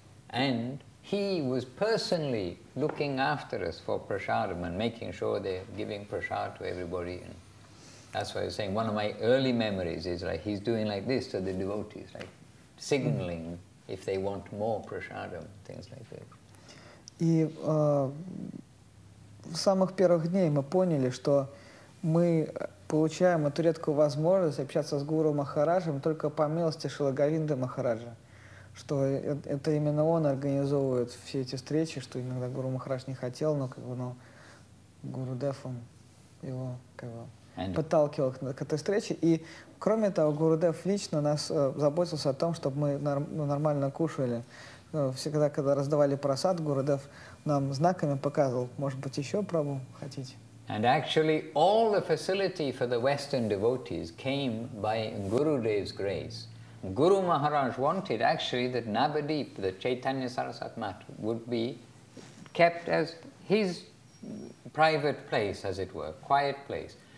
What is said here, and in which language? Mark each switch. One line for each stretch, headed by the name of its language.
English: And he was personally looking after us for prasadam and making sure they're giving prasad to everybody. And that's why I was saying one of my early memories is like he's doing like this to the devotees, like signaling if they want more prasadam, things like that.
Russian: И в самых первых дней мы поняли, что мы получаем эту редкую возможность общаться с Гуру Махараджем только по милости Шрилы Говинды Махараджа, что это именно он организовывает все эти встречи, что иногда Гуру Махарадж не хотел, но как бы, ну, Гуру Дев он его как бы, подталкивал к этой встрече. И кроме того, Гуру Дев лично нас заботился о том, чтобы мы нормально кушали. Всегда, когда раздавали просад, Гурудев нам знаками показывал, может быть, еще пробу хотите.
English: And actually, all the facility for the Western devotees came by Gurudev's grace. Guru Maharaj wanted actually that Navadvip, the Chaitanya Sarasat Mat, would be kept as his private place, as it were, quiet place.